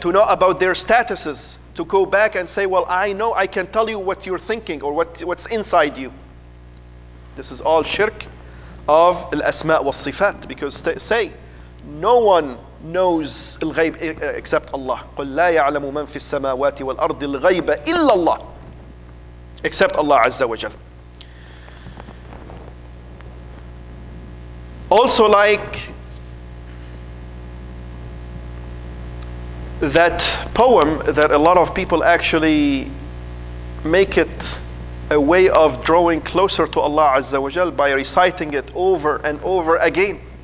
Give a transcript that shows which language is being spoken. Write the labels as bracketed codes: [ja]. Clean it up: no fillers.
[en] To know about their statuses, to go back and say, well, I know, I can tell you what you're thinking or what's inside you. This is all shirk of al-asma wa sifat, because say, no one knows al-ghayb except Allah. [ar] قُلْ لَا يَعْلَمُ مَنْ فِي السَّمَاوَاتِ وَالْأَرْضِ الْغَيْبَ إِلَّا اللَّهِ [en] except Allah Azza wa Jal. Also like that poem that a lot of people actually make it a way of drawing closer to Allah Azza wa Jal by reciting it over and over again.